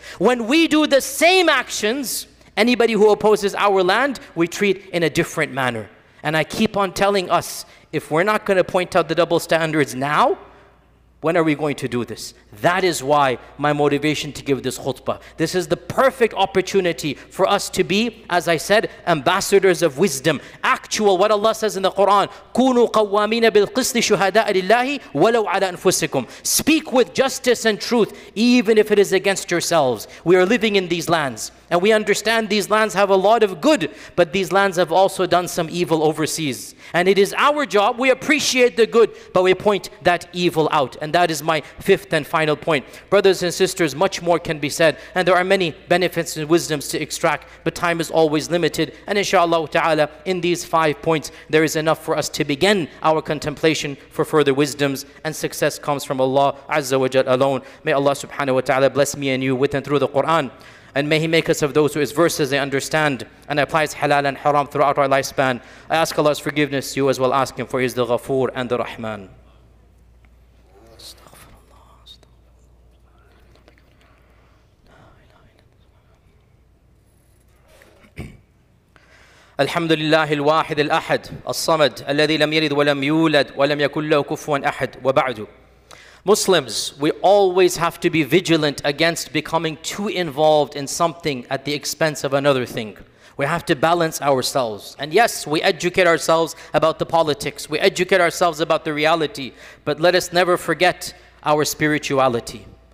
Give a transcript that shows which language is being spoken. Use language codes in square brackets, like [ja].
[en] When we do the same actions, anybody who opposes our land, we treat in a different manner. And I keep on telling us, if we're not going to point out the double standards now, when are we going to do this? That is why my motivation to give this khutbah. This is the perfect opportunity for us to be, as I said, ambassadors of wisdom. Actual, what Allah says in the Quran, [ar] كُونُوا قَوَّامِينَ بِالْقِسْطِ شُهَدَاءَ لِلَّهِ وَلَوْ عَلَىٰ أَنفُسِكُمْ. [en] Speak with justice and truth, even if it is against yourselves. We are living in these lands, and we understand these lands have a lot of good, but these lands have also done some evil overseas. And it is our job, we appreciate the good, but we point that evil out. And that is my fifth and final point. Brothers and sisters, much more can be said, and there are many benefits and wisdoms to extract, but time is always limited. And inshallah ta'ala, in these 5 points, there is enough for us to begin our contemplation for further wisdoms, and success comes from Allah Azza wa Jal alone. May Allah subhanahu wa ta'ala bless me and you with and through the Quran. And may He make us of those who His verses they understand and applies halal and haram throughout our lifespan. I ask Allah's forgiveness, you as well ask Him, for He is the Ghafoor and the Rahman. [ar] الحمد لله الواحد الأحد الصمد الذي لم يلد ولم يولد ولم يكن له كفوا أحد وبعد. [en] Muslims, we always have to be vigilant against becoming too involved in something at the expense of another thing. We have to balance ourselves. And yes, we educate ourselves about the politics. We educate ourselves about the reality. But let us never forget our spirituality.